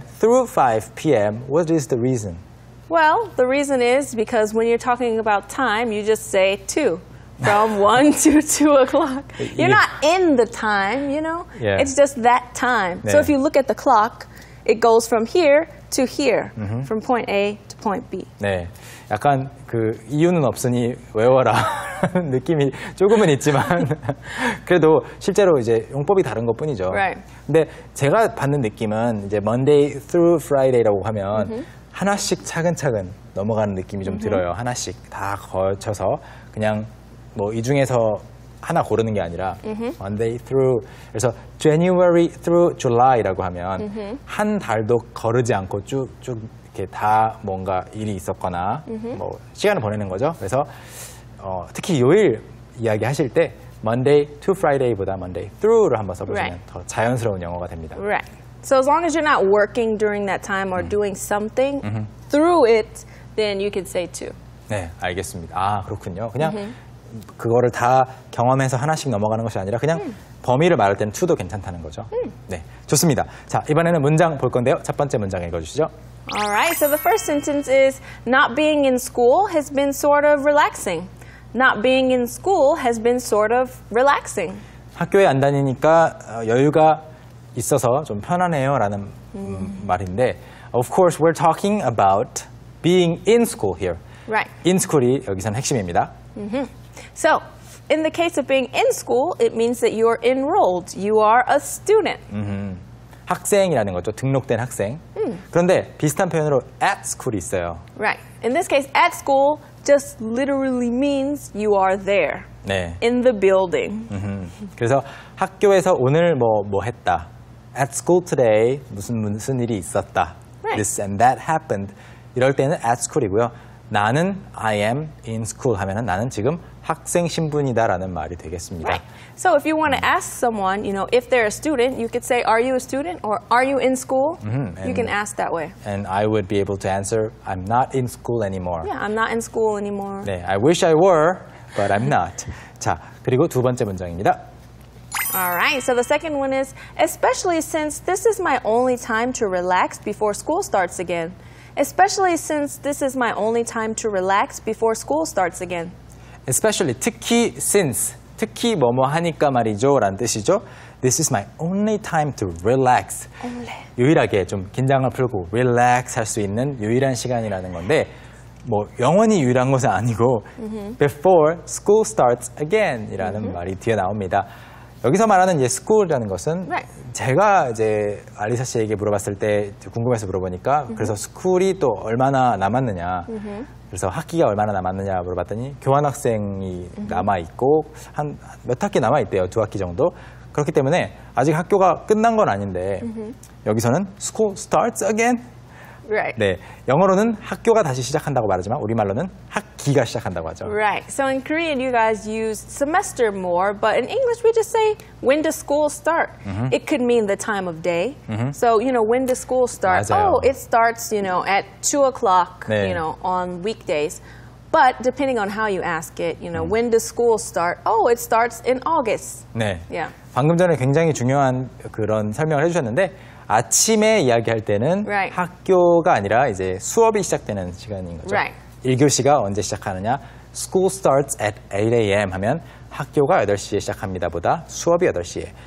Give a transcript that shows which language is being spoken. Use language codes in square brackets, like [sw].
[en] through 5 p.m. What is the reason? Well, the reason is because when you're talking about time, you just say 2, from 1 to 2 o'clock. You're not in the time, you know? Yeah. It's just that time. Yeah. So if you look at the clock, it goes from here to here, mm-hmm. from point A to point B. [ko] 네, 약간 그 이유는 없으니 외워라 느낌이 조금은 있지만 그래도 실제로 이제 용법이 다른 것뿐이죠. [en] Right. [ko] 근데 제가 받는 느낌은 이제 [en] Monday through Friday [ko] 라고 하면 mm-hmm. 하나씩 차근차근 넘어가는 느낌이 좀 들어요. Mm-hmm. 하나씩 다 거쳐서 그냥 뭐 이 중에서 하나 고르는 게 아니라 mm-hmm. Monday through 그래서 [en] January through July [ko] 라고 하면 mm-hmm. 한 달도 거르지 않고 쭉쭉 이렇게 다 뭔가 일이 있었거나 mm-hmm. 뭐 시간을 보내는 거죠. 그래서 특히 요일 이야기하실 때 [en] Monday to Friday [ko] 보다 Monday through를 한번 써보시면 [en] right. [ko] 더 자연스러운 영어가 됩니다. [en] Right. So as long as you're not working during that time or doing something mm-hmm. through it, then you can say too. [ko] 네, 알겠습니다. 아, 그렇군요. 그냥 mm-hmm. 그거를 다 경험해서 하나씩 넘어가는 것이 아니라 그냥 mm. 범위를 말할 때는 to도 괜찮다는 거죠. Mm. 네, 좋습니다. 자, 이번에는 문장 볼 건데요. 첫 번째 문장 읽어주시죠. [en] All right, so the first sentence is not being in school has been sort of relaxing. Not being in school has been sort of relaxing. [ko] 학교에 안 다니니까 여유가 있어서 좀 편안해요 라는 말인데 [en] Of course, we're talking about being in school here. Right. [ko] In school이 여기선 핵심입니다. Mm-hmm. [en] So, in the case of being in school, it means that you're enrolled. You are a student. [ko] Mm-hmm. 학생이라는 거죠. 등록된 학생. Mm. 그런데 비슷한 표현으로 at school이 있어요. [en] Right. In this case, at school just literally means you are there. [ko] 네. [en] In the building. Mm-hmm. [ko] 그래서 학교에서 오늘 뭐 했다. [en] At school today, [ko] 무슨 일이 있었다. [en] Right. This and that happened. [ko] 이럴 때는 at school이고요. 나는 [en] I am in school [ko] 하면은 나는 지금 학생 신분이다라는 말이 되겠습니다. [en] Right. So if you want to ask someone, you know, if they're a student, you could say are you a student or are you in school? You can ask that way. And I would be able to answer I'm not in school anymore. Yeah, I'm not in school anymore. 네, I wish I were, but I'm not. [ko] 자, 그리고 두 번째 문장입니다. [en] All right, so the second one is, especially since this is my only time to relax before school starts again. Especially since this is my only time to relax before school starts again. [ko] Especially, 특히 since, 특히 뭐뭐 하니까 말이죠, 라는 뜻이죠. [en] This is my only time to relax. Only. [ko] 유일하게 좀 긴장을 풀고 relax 할 수 있는 유일한 시간이라는 건데, 뭐 영원히 유일한 것은 아니고 mm-hmm. [en] before school starts again [ko] 이라는 mm-hmm. 말이 뒤에 나옵니다. 여기서 말하는 이제 school이라는 것은 [en] right. [ko] 제가 이제 알리사 씨에게 물어봤을 때 궁금해서 물어보니까 mm-hmm. 그래서 school이 또 얼마나 남았느냐 mm-hmm. 그래서 학기가 얼마나 남았느냐 물어봤더니 교환학생이 mm-hmm. 남아있고 한 몇 학기 남아있대요. 두 학기 정도. 그렇기 때문에 아직 학교가 끝난 건 아닌데 mm-hmm. 여기서는 [en] school starts again. Right. [ko] 네, 영어로는 학교가 다시 시작한다고 말하지만 우리말로는 학기가 시작한다고 하죠. [en] Right. So in Korean, you guys use semester more, but in English, we just say when does school start? Mm-hmm. It could mean the time of day. Mm-hmm. So, you know, when does school start? [ko] 맞아요. [en] Oh, it starts, you know, at 2 o'clock, [ko] 네. [en] you know, on weekdays. But depending on how you ask it, you know, when does school start? Oh, it starts in August. [ko] 네. [en] Yeah. [ko] 방금 전에 굉장히 중요한 그런 설명을 해주셨는데 아침에 이야기할 때는 [en] right. [ko] 학교가 아니라 이제 수업이 시작되는 시간인 거죠. [en] Right. [ko] 1교시가 언제 시작하느냐? [en] School starts at 8 a.m. [ko] 하면 학교가 8시에 시작합니다보다 수업이 8시에.